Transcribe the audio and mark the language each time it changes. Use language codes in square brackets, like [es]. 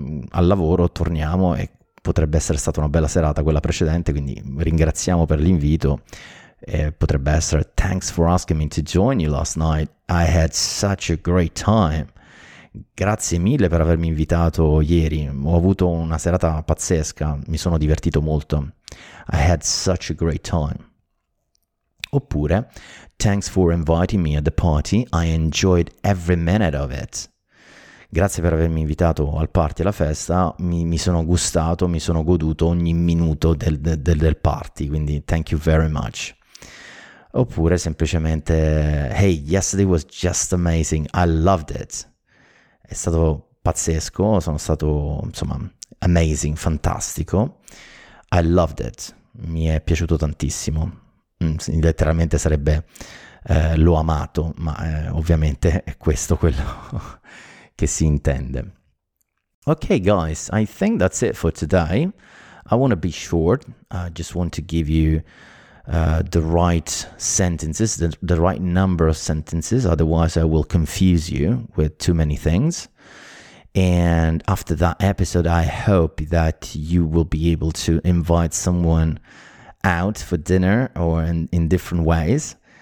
[it] Al lavoro torniamo e potrebbe essere stata una bella serata quella precedente, quindi ringraziamo per l'invito. Potrebbe essere [en] Thanks for asking me to join you last night. I had such a great time. [it] Grazie mille per avermi invitato ieri. Ho avuto una serata pazzesca, mi sono divertito molto. [en] I had such a great time. Oppure, thanks for inviting me at the party. I enjoyed every minute of it. [it] Grazie per avermi invitato al party, alla festa. Mi sono gustato, mi sono goduto ogni minuto del party. [en] Quindi, thank you very much. [it] Oppure, semplicemente, [en] hey, yesterday was just amazing. I loved it. [it] È stato pazzesco. Sono stato, insomma, amazing, fantastico. [en] I loved it. [it] Mi è piaciuto tantissimo. Letteralmente sarebbe l'ho amato, ma ovviamente è questo quello che si intende. [en] Ok, guys, I think that's it for today. I want to be short. I just want to give you the right sentences, the right number of sentences. Otherwise, I will confuse you with too many things. And after that episode, I hope that you will be able to invite someone out for dinner or in different ways.